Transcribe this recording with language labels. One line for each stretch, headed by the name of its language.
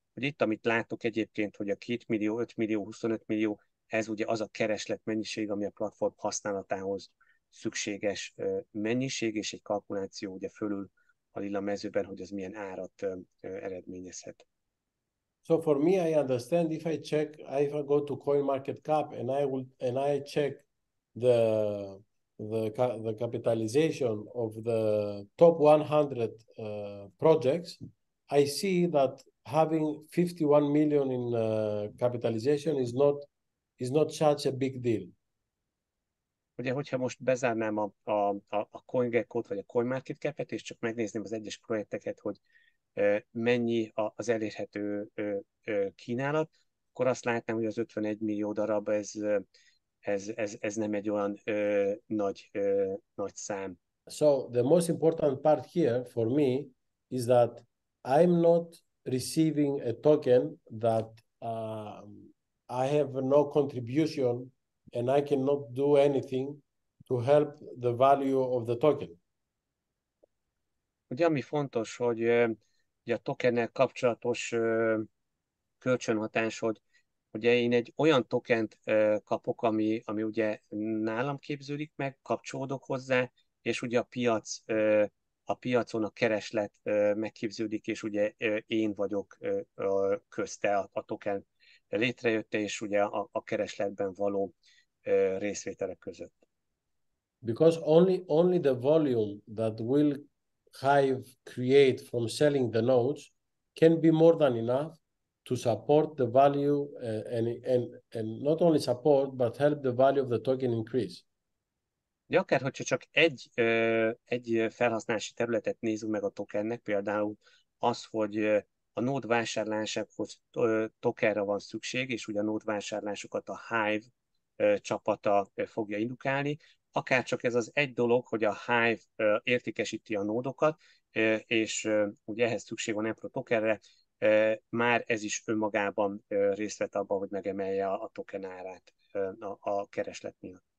Hungarian: Ugye itt, amit látok egyébként, hogy a 2 millió, 5 millió, 25 millió, ez ugye az a kereslet mennyiség, ami a platform használatához szükséges mennyiség, és egy kalkuláció ugye fölül a lila mezőben, hogy ez milyen árat eredményezhet.
English: So for me, I understand if I check, if I go to CoinMarketCap and I check the capitalization of the top 100 projects, I see that having 51 million in capitalization is not such a big deal.
Hungarian: Ugye, hogyha most bezárnám a CoinGecko-t vagy a CoinMarketCap-et, és csak megnézném az egyes projekteket, hogy mennyi az elérhető kínálat, akkor azt látnám, hogy az 51 millió darab, ez nem egy olyan nagy szám.
English: So the most important part here for me is that I'm not receiving a token that I have no contribution and I cannot do anything to help the value of the token.
Hungarian: Ugye, ami fontos, hogy ugye a tokennel kapcsolatos kölcsönhatás, hogy ugye én egy olyan tokent kapok, ami ugye nálam képződik meg, kapcsolódok hozzá, és ugye a piacon a kereslet megképződik, és ugye én vagyok közte a token létrejötte, és ugye a keresletben való részvételek között.
English: Because only the volume that will Hive create from selling the nodes can be more than enough to support the value and not only support but help the value of the token increase.
Hungarian: De akár, hogyha csak egy felhasználási területet nézünk meg a tokennek, például az, hogy a nód vásárlásához tokenre van szükség, és ugye a nód vásárlásokat a Hive csapata fogja indukálni, akár csak ez az egy dolog, hogy a Hive értékesíti a nódokat, és ugye ehhez szükség van EPRO tokenre, már ez is önmagában részt vett abban, hogy megemelje a token árát a kereslet miatt.